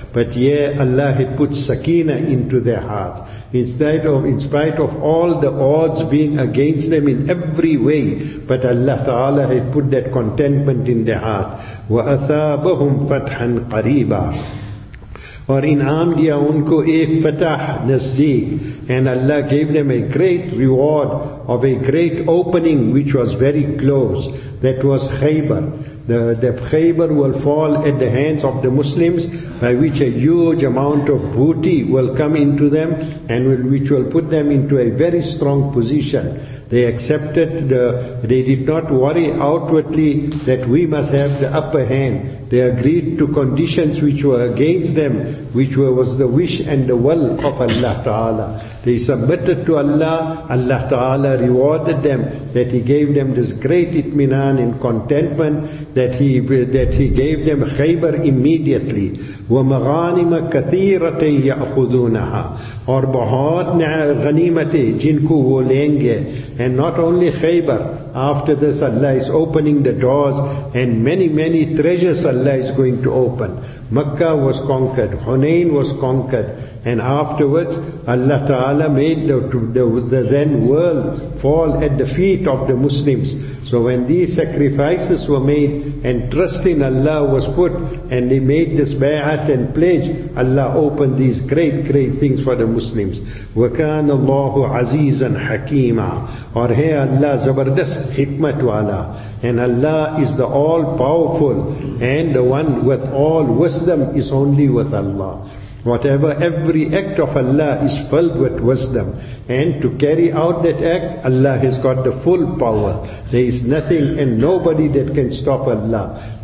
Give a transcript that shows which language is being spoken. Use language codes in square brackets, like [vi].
[en] But yeah, Allah had put sakina into their hearts. In spite of all the odds being against them in every way, but Allah Ta'ala had put that contentment in their heart. [ar] وَأَثَابَهُمْ فَتْحًا قَرِيبًا. [ur] اور انعام دیا ان کو ایک فتح نزدیک. [en] And Allah gave them a great reward of a great opening which was very close that was Khaybar. The Khaybar will fall at the hands of the Muslims, by which a huge amount of booty will come into them and will, which will put them into a very strong position. They accepted the, they did not worry outwardly that we must have the upper hand. They agreed to conditions which were against them, which was the wish and the will of Allah Ta'ala. They submitted to Allah. Allah Ta'ala rewarded them that He gave them this great itminan and contentment, that He gave them khaybar immediately. [ar] وَمَغَانِمَ كَثِيرَةً يَأْخُذُونَهَا. [ur] اور بہت غنیمتیں جن کو وہ لیں گے. [en] And not only khaybar, after this Allah is opening the doors, and many many treasures Allah is going to open. Makkah was conquered, Hunain was conquered, and afterwards Allah Ta'ala made the then world fall at the feet of the Muslims. So when these sacrifices were made and trust in Allah was put and they made this bay'at and pledge, Allah opened these great great things for the Muslims. [ar] وَكَانَ اللَّهُ عَزِيزًا حَكِيمًا. [ur] اور ہے اللہ زبردست حکمت والا. [en] And Allah is the all powerful, and the one with all wisdom is only with Allah. Whatever, every act of Allah is filled with wisdom. And to carry out that act, Allah has got the full power. There is nothing and nobody that can stop Allah.